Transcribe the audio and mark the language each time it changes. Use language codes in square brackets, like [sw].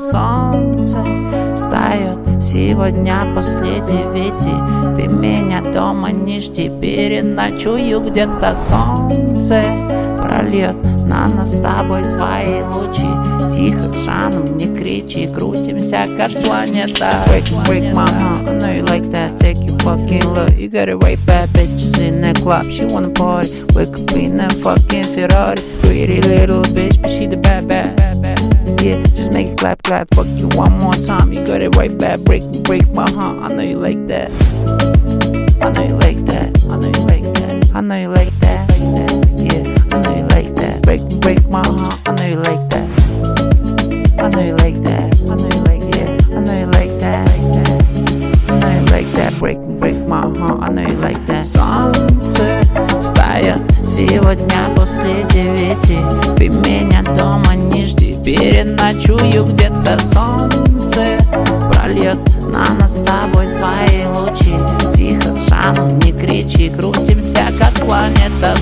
[ru] Солнце встает сегодня после девяти. Ты меня дома не жди, переночую где-то. Солнце прольет на нас с тобой свои лучи. Тихо, жаном, не кричи, крутимся, как планета. [en] Wait, mama, I know you like that. Take your fucking love. You got a white bad bitch in the club. She wanna party. Wake up in a fucking Ferrari. Pretty little bitch, but she the bad, bad. Yeah, just make it clap, clap. Fuck you one more time. You got a white bad. Break, break my heart. I know you like that. I know you like that. I know you like that. I know you like that. Yeah, I know you like that. Break, break my heart. I know you like that. I know you like that, I know you like, yeah, I know you like that, like that. I know you like that, break, break my heart, I know you like that. [ru] Солнце встает сегодня после девяти. Ты меня дома не жди, переночую где-то. Солнце прольет на нас с тобой свои лучи. Тихо, жан, не кричи, крутимся, как планета.